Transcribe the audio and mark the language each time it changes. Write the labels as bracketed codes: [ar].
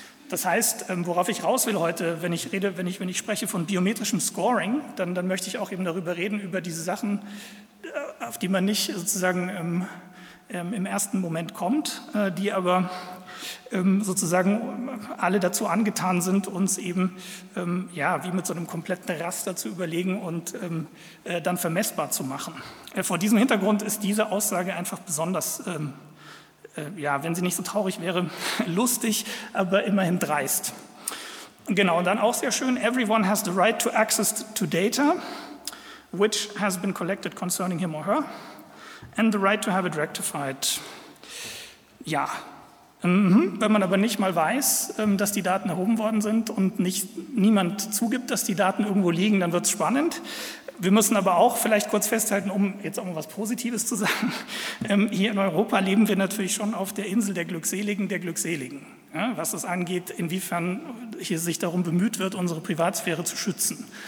[de] Das heißt, worauf ich raus will heute, wenn ich spreche von biometrischem Scoring, dann möchte ich auch eben darüber reden, über diese Sachen, auf die man nicht sozusagen im ersten Moment kommt, die aber sozusagen alle dazu angetan sind, uns eben ja, wie mit so einem kompletten Raster zu überlegen und dann vermessbar zu machen. Vor diesem Hintergrund ist diese Aussage einfach besonders, ja, wenn sie nicht so traurig wäre, lustig, aber immerhin dreist. Genau, und dann auch sehr schön, [en] everyone has the right to access to data, which has been collected concerning him or her, and the right to have it rectified. [de] Ja, wenn man aber nicht mal weiß, dass die Daten erhoben worden sind und niemand zugibt, dass die Daten irgendwo liegen, dann wird es spannend. Wir müssen aber auch vielleicht kurz festhalten, um jetzt auch mal was Positives zu sagen, hier in Europa leben wir natürlich schon auf der Insel der Glückseligen, ja, was es angeht, inwiefern hier sich darum bemüht wird, unsere Privatsphäre zu schützen.